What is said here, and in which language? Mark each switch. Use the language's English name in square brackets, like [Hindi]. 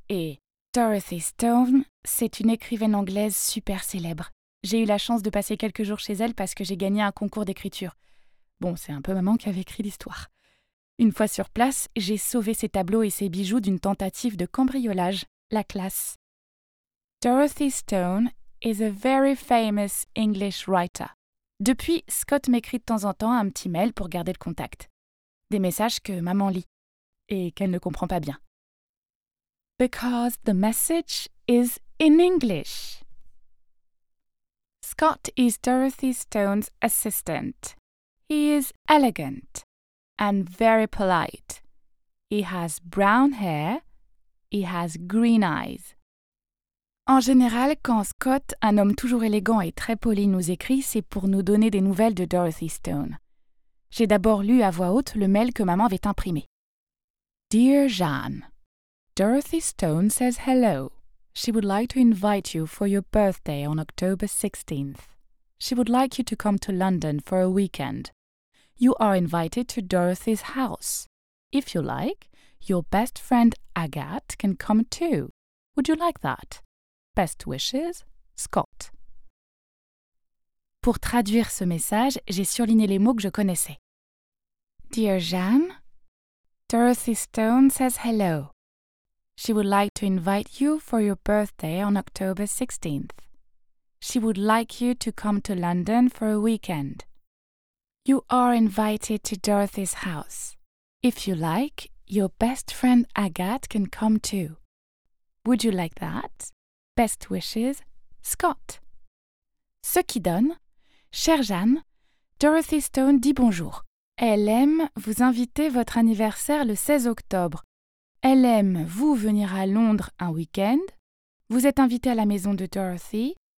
[French] Et Dorothy Stone, c'est une écrivaine anglaise super célèbre. J'ai eu la chance de passer quelques jours chez elle parce que j'ai gagné un concours d'écriture. Bon, c'est un peu maman qui avait écrit l'histoire. Une fois sur place, j'ai sauvé ses tableaux et ses bijoux d'une tentative de cambriolage, la classe. [English] Dorothy Stone is a very famous English writer. [French] Depuis, Scott m'écrit de temps en temps un petit mail pour garder le contact. Des messages que maman lit et qu'elle ne comprend pas bien. [English] Because the message is in English. Scott is Dorothy Stone's assistant. He is elegant and very polite. He has brown hair. He has green eyes. [French] En général, quand Scott, un homme toujours élégant et très poli, nous écrit, c'est pour nous donner des nouvelles de Dorothy Stone. J'ai d'abord lu à voix haute le mail que maman avait imprimé. [English] Dear Jeanne, Dorothy Stone says hello. She would like to invite you for your birthday on October 16th. She would like you to come to London for a weekend. You are invited to Dorothy's house. If you like, your best friend Agathe can come too. Would you like that? Best wishes, Scott. [French] Pour traduire ce message, j'ai surligné les mots que je connaissais. [English] Dear Jeanne, Dorothy Stone says hello. She would like to invite you for your birthday on October 16th. She would like you to come to London for a weekend. You are invited to Dorothy's house. If you like, your best friend Agathe can come too. Would you like that? Best wishes, Scott. [French] Ce qui donne, chère Jeanne, Dorothy Stone dit bonjour. Elle aime vous inviter votre anniversaire le 16 octobre. Elle aime vous venir à Londres un week-end. Vous êtes invité à la maison de Dorothy.